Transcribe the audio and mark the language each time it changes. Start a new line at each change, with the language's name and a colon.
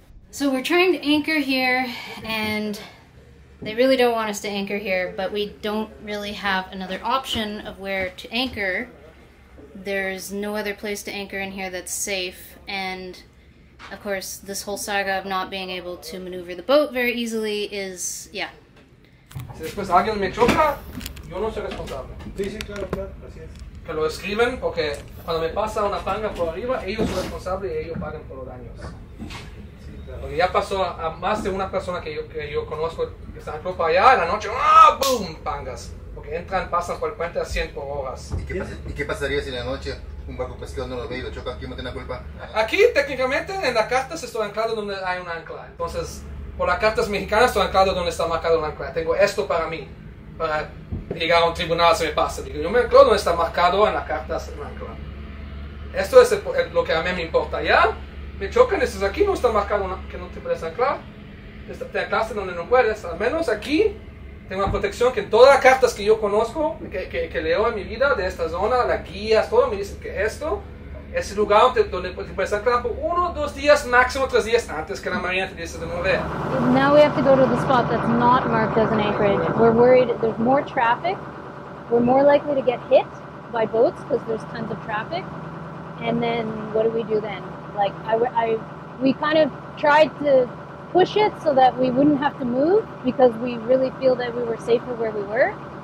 English: So we're trying to anchor here and they really don't want us to anchor here, but we don't really have another option of where to anchor. There's no other place to anchor in here that's safe, and of course this whole saga of not being able to maneuver the boat very easily is, yeah.
Spanish: Si después alguien me choca, yo no soy responsable. Sí, sí, claro, claro, gracias. Que lo escriben, porque cuando me pasa una panga por arriba, ellos son responsables y ellos pagan por los daños. Ya pasó a más de una persona que yo conozco que está en tropa allá en la noche, ¡ah! ¡Boom! Pangas. Porque entran, pasan por el puente a 100 por horas. ¿Y qué pasaría si en la noche un barco pesquero no lo ve y lo choca? ¿Quién me tiene la culpa? Aquí, técnicamente, en la carta se está anclado donde hay un ancla. Entonces, por las cartas mexicanas, estoy anclado donde está marcado el ancla. Tengo esto para mí, para llegar a un tribunal si me pasa. Digo, yo me anclo donde está marcado en las cartas el ancla. Esto es lo que a mí me importa, ¿ya? Me chocan, estás aquí, no está marcado que no te puedes anclar. Te anclaste donde no puedes. Al menos aquí tengo una protección que en todas las cartas que yo conozco, que leo en mi vida, de esta zona, las guías, todo, me dicen que esto es el lugar donde te puedes anclar por uno, dos días, máximo tres días antes que la marina te dice de mover.
English: Now we have to go to the spot that's not marked as an anchorage. We're worried there's more traffic. We're more likely to get hit by boats because there's tons of traffic. And then what do we do then? Like, we kind of tried to push it so that we wouldn't have to move because we really feel that we were safer where we were.